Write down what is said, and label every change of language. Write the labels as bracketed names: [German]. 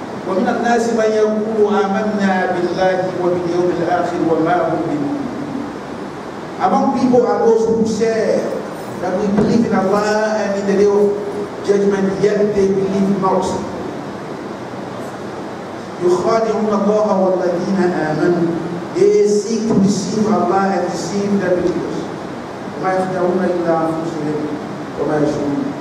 [Arabic] ومن الناس من يقول آمنا بالله وباليوم الآخر وما هم بمؤمنين. [English] Among people are those who say that we believe in Allah and in the day of judgment, yet they believe not. [Arabic] يخادعون الله والذين آمنوا. [English] They seek to deceive Allah and deceive the believers. [Arabic] ما يخدعون إلا أنفسهم وما يشعرون.